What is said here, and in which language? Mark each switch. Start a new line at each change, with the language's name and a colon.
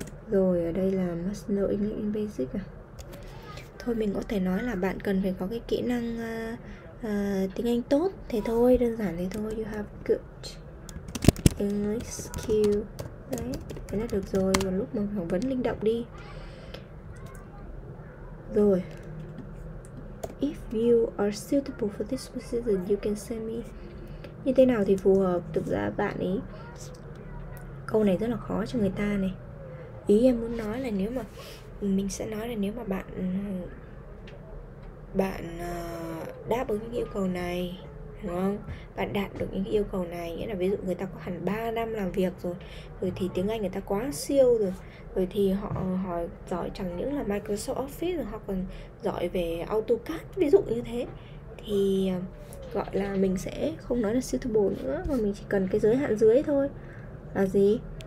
Vietnamese: Rồi ở đây là
English: must know English basic
Vietnamese: à. Thôi mình có thể nói là bạn cần phải có cái kỹ năng tiếng Anh tốt thế thôi, đơn giản thế thôi.
English: You have good English skill.
Vietnamese: Đấy, thế là được rồi. Và lúc mà phỏng vấn linh động đi. Rồi.
English: If you are suitable for this position, you can send me.
Vietnamese: Như thế nào thì phù hợp? Thực ra bạn ấy, câu này rất là khó cho người ta này. Ý em muốn nói là nếu mà mình sẽ nói là nếu mà bạn bạn đáp ứng những yêu cầu này, đúng không? Bạn đạt được những yêu cầu này, nghĩa là ví dụ người ta có hẳn 3 năm làm việc rồi, rồi thì tiếng Anh người ta quá siêu rồi, rồi thì họ hỏi giỏi chẳng những là Microsoft Office, rồi họ còn giỏi về AutoCAD ví dụ như thế, thì gọi là mình sẽ không nói là suitable nữa, mà mình chỉ cần cái giới hạn dưới thôi. Là gì?